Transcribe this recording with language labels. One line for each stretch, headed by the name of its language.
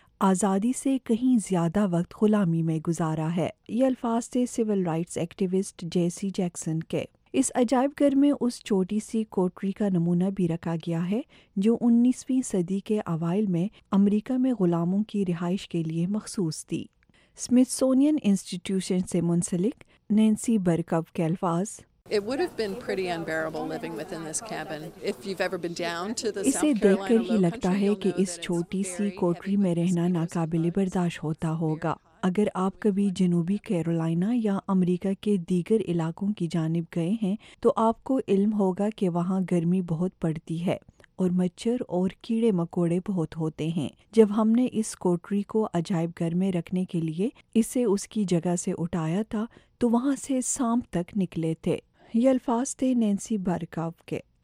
Urdu: آزادی سے کہیں زیادہ وقت غلامی میں گزارا ہے۔ یہ الفاظ تھے سول رائٹس ایکٹیوسٹ جیسی جیکسن کے۔ اس عجائب گھر میں اس چھوٹی سی کوٹری کا نمونہ بھی رکھا گیا ہے جو 19ویں صدی کے اوائل میں امریکہ میں غلاموں کی رہائش کے لیے مخصوص تھی۔ سمتھسونین انسٹیٹیوشن سے منسلک نینسی برکف کے الفاظ،
English: It would have been pretty unbearable living within this cabin. If you've ever been down to the
Urdu: اسے دیکھ کر ہی لگتا ہے کہ اس چھوٹی سی کوٹری میں رہنا ناقابل برداشت ہوتا ہوگا۔ اگر آپ کبھی جنوبی کیرولائنا یا امریکہ کے دیگر علاقوں کی جانب گئے ہیں تو آپ کو علم ہوگا کہ وہاں گرمی بہت پڑتی ہے اور مچھر اور کیڑے مکوڑے بہت ہوتے ہیں۔ جب ہم نے اس کوٹری کو عجائب گھر میں رکھنے کے لیے اسے اس کی جگہ سے اٹھایا تھا تو وہاں سے سانپ تک نکلے تھے۔ یہ الفاظ تھے نینسی بارکاو کے۔